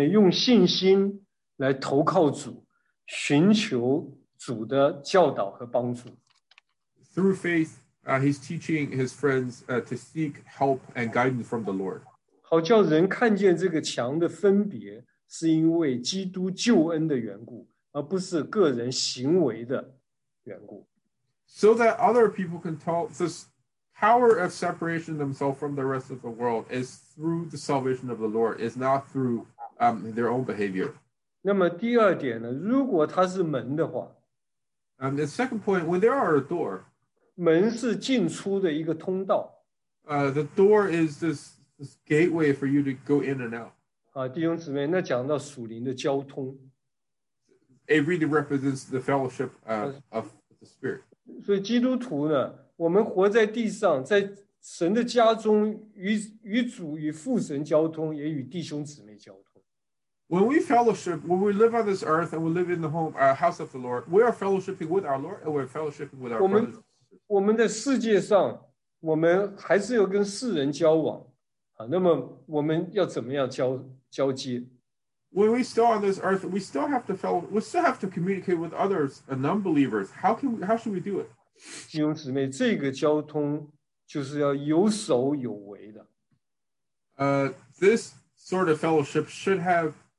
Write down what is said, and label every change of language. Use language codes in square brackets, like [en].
[zh] 教导出信的弟兄姊妹用信心来投靠主, 寻求主的教导和帮助。 [en] Through faith, he's teaching his friends to seek help and guidance from the Lord. [zh] 好叫人看见这个墙的分别是因为基督救恩的缘故, 而不是个人行为的缘故。 [en] So that other people can tell this power of separation themselves from the rest of the world is through the salvation of the Lord, is not through their own behavior. [zh] 那么第二点呢, 如果它是门的话, [en] the second point, when there are a door, [zh] 门是进出的一个通道, [en] the door is this gateway for you to go in and out. [zh] 弟兄姊妹, 那讲到属灵的交通, [en] it really represents the fellowship of the Spirit. [zh] 所以基督徒呢, 我们活在地上, 在神的家中, 与主, 与父神交通, 也与弟兄姊妹交通。 [en] When we fellowship, when we live on this earth and we live in the home, house of the Lord, we are fellowshipping with our Lord and we're fellowshipping with our [zh] 我们, [en] brothers. [zh] 我们在世界上, 我们还是有跟世人交往, 啊, 那么我们要怎么样交, 交接? [en] When we still on this earth, we still have to communicate with others and non-believers. How should we do it? [zh] 弟兄姊妹, 这个交通就是要有守有为的。 [en] This sort of fellowship should have